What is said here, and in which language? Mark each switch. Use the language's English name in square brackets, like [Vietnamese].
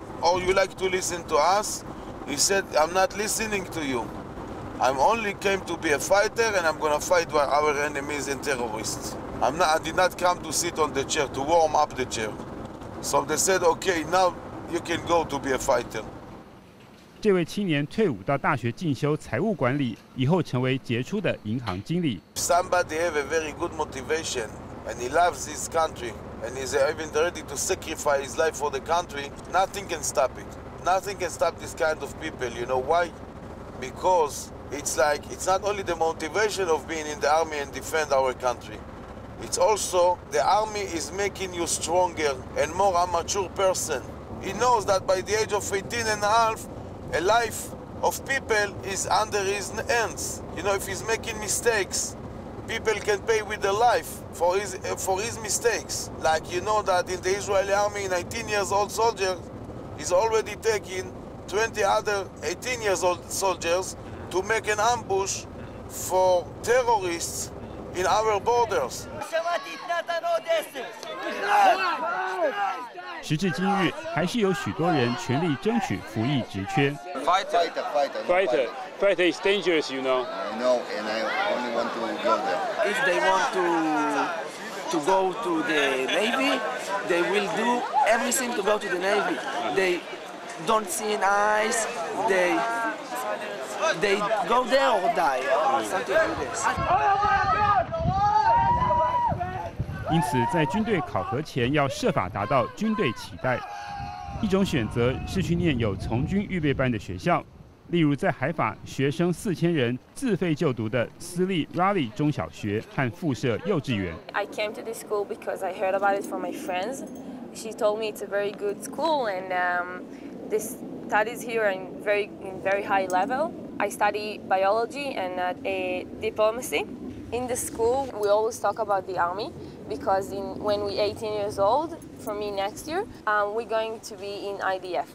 [English] Or you like to listen to us? He said, I'm not listening to you. I'm only came to be a fighter and I'm gonna fight with our enemies and terrorists. I did not come to sit on the chair, to warm up the chair. So they said, okay, now you can go to be a fighter. [Chinese] 这位青年退伍到大学进修财务管理，以后成为杰出的银行经理。 [English] Somebody have a very good motivation, and he loves his country, and is even ready to sacrifice his life for the country. Nothing can stop it. nothing can stop this kind of people. You know why? Because it's like, it's not only the motivation of being in the army and defend our country. It's also the army is making you stronger and more a mature person. He knows that by the age of 18 and a half, a life of people is under his hands. You know, if he's making mistakes, people can pay with their life for his mistakes. Like, you know that in the Israeli army, 19 years old soldier is already taking 20 other 18 years old soldiers to make an ambush for terrorists in our borders. [Chinese] 时至今日，还是有许多人全力争取服役职缺。 [English] Fighter is dangerous, you know. I know, and I only want to go there. If they want to go to the Navy, they will do everything to go to the Navy. They don't see in eyes, they go there or die, or something like this. [Chinese] 因此，在军队考核前要设法达到军队期待。一种选择是去念有从军预备班的学校，例如在海法学生4000人自费就读的私立 Raleigh 中小学和附设幼稚园。 [English] I came to this school because I heard about it from my friends. She told me it's a very good school and the studies here are in very high level. I study biology and diplomacy. In the school, we always talk about the army. Because when we're 18 years old, for me next year, we're going to be in IDF.